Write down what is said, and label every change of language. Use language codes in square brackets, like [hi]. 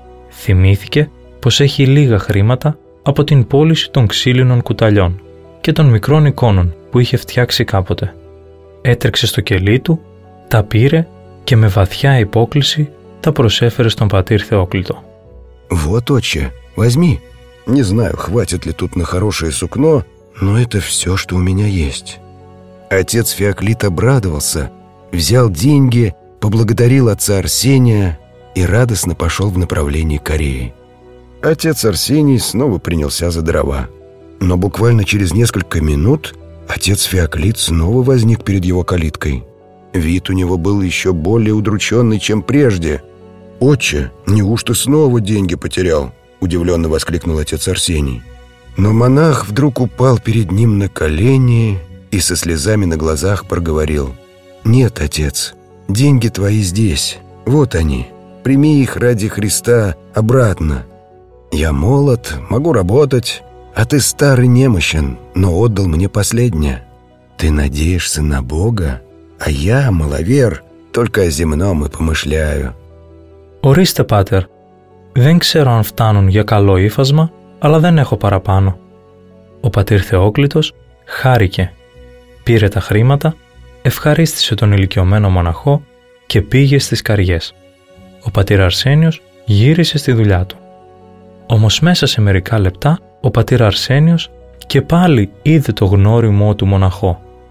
[el] Θυμήθηκε πως έχει λίγα χρήματα από την πώληση των ξύλινων κουταλιών και των μικρών εικόνων που είχε φτιάξει κάποτε. Έτρεξε στο κελί του, τα πήρε και με βαθιά υπόκληση τα προσέφερε στον πατήρ Θεόκλητο. [ru] «Вот, отче, возьми. Не знаю, хватит ли тут на хорошее сукно, но это все, что у меня есть». Отец Феоклит обрадовался, взял деньги, поблагодарил отца Арсения и радостно пошел в направлении Кореи. Отец Арсений снова принялся за дрова. Но буквально через несколько минут отец Феоклит снова возник перед его калиткой. Вид у него был еще более удрученный, чем прежде. «Отче, неужто снова деньги потерял?» – удивленно воскликнул отец Арсений. Но монах вдруг упал перед ним на колени и со слезами на глазах проговорил: «Нет, отец, деньги твои здесь, вот они, прими их ради Христа обратно. Я молод, могу работать, а ты стар и немощен, но отдал мне последнее. Ты надеешься на Бога, а я, маловер, только о земном и помышляю». [el] «Ορίστε, Πάτερ, δεν ξέρω αν φτάνουν για καλό ύφασμα, αλλά δεν έχω παραπάνω». Ο πατήρ Θεόκλητος χάρηκε, πήρε τα χρήματα, ευχαρίστησε τον ηλικιωμένο μοναχό και πήγε στις Καριές. Ο πατήρ Αρσένιος γύρισε στη δουλειά του. Όμως μέσα σε μερικά λεπτά ο πατήρ Αρσένιος και πάλι είδε το γνώριμό του μοναχό.